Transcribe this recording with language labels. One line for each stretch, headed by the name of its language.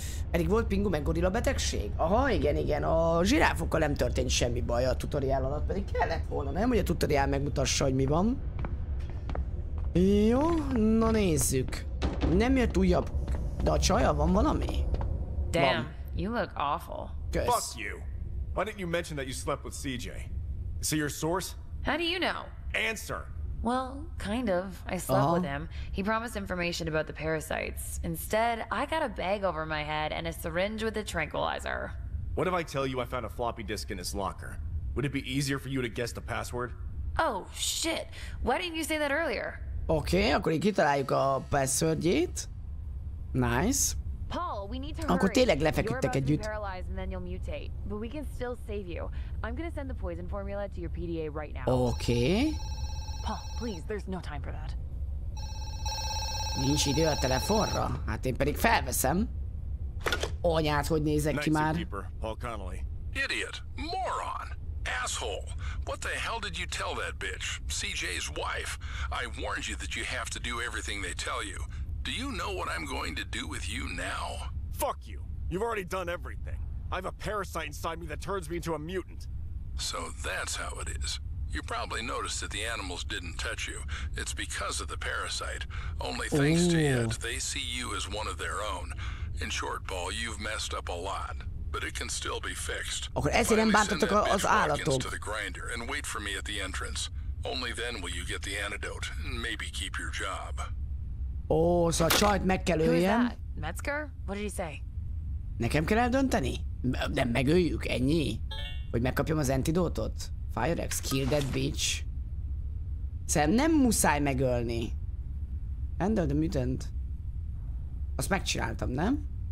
Hungarian: Pedig volt pingu meg gorilla betegség? Aha, igen. A zsiráfokkal nem történt semmi baj a tutoriál alatt, pedig kellett volna, nem? Hogy a tutoriál megmutassa, hogy mi van. Jó, na nézzük. Nem jött újabb, de a csaja van valami?
English: Damn,
Hungarian: van.
English: You look awful.
Hungarian: Kösz.
English: Fuck you! Why didn't you mention that you slept with CJ? Is he your source? How do you know? Answer! Well, kind of. I slept with him. He promised information about the parasites. Instead, I got a bag over my head and a syringe with a tranquilizer. What if I tell you I found a floppy disk in his locker? Would it be easier for you to guess the password? Oh, shit. Why didn't you say that earlier?
Hungarian: Okay, akkor így kitaláljuk a passwordjét.
English: Nice. Paul, we need to hurry.
Hungarian: Akkor tényleg lefeküdtek együtt.
English: You're about to be paralyzed and then you'll mutate. But we can still save you. I'm gonna send the poison formula to your PDA right now. Okay. Paul, please, there's no time for that.
Hungarian: Nincs idő a telefonra? Hát én pedig felveszem. Anyát, hogy nézek ki már.
English: Paul Connolly. Idiot, moron, asshole. What the hell did you tell that bitch, CJ's wife? I warned you that you have to do everything they tell you. Do you know what I'm going to do with you now? Fuck you. You've already done everything. I have a parasite inside me that turns me into a mutant. So that's how it is. You probably noticed that the animals didn't touch you. It's because of the parasite. Only thanks to it, they see you as one of their own. In short, Paul, you've messed up a lot, but it can still be fixed.
Hungarian: Akkor ezért nem bántottak az állatok.
English: To the grinder and wait for me at the entrance. Only then will you get the antidote and maybe keep your job. Oh, so
Hungarian: a csajt meg kell öljem.
English: Metzger? What did he say?
Hungarian: Nekem kell eldönteni? Nem megöljük, ennyi? Hogy megkapjam az antidótot? Firex,
English: kill that bitch.
Hungarian: Szerintem nem muszáj megölni.
English: Handle the mutant.
Hungarian: Azt megcsináltam, nem?